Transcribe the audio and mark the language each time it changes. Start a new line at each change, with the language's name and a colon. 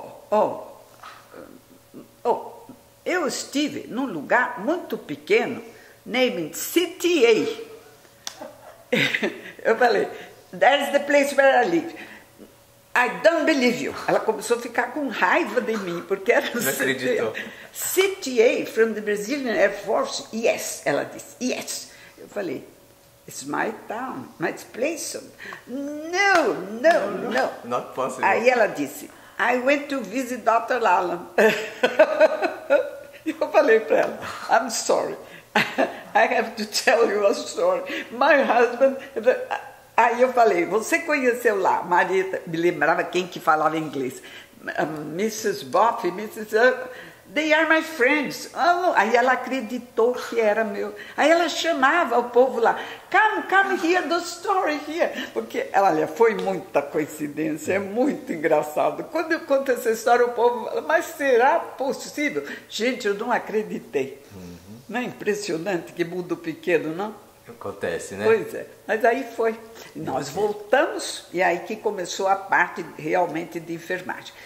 Portuguese: Oh, eu estive num lugar muito pequeno, named CTA. Eu falei,
English: that's the place where I live. I don't believe you.
Portuguese: Ela começou a ficar com raiva de mim, porque era não CTA. Acreditou.
English: CTA, from the Brazilian Air Force, yes,
Portuguese: ela disse,
English: yes.
Portuguese: Eu falei,
English: it's my town, my place. No, no, no. No. Not possible.
Portuguese: Aí ela disse,
English: I went to visit Dr. Allen.
Portuguese: Eu falei para ela,
English: I'm sorry. I have to tell you a story. My husband...
Portuguese: Aí eu falei, você conheceu lá? Marita, me lembrava quem que falava inglês. Mrs. Boff, Mrs.
English: They are my friends.
Portuguese: Oh, aí ela acreditou que era meu. Aí ela chamava o povo lá.
English: Come, come here, the story here.
Portuguese: Porque, olha, foi muita coincidência. É muito engraçado. Quando eu conto essa história, o povo fala, mas será possível? Gente, eu não acreditei. Uhum. Não é impressionante que mundo pequeno, não? Acontece, né? Pois é. Mas aí foi. Nós voltamos e aí que começou a parte realmente de enfermagem.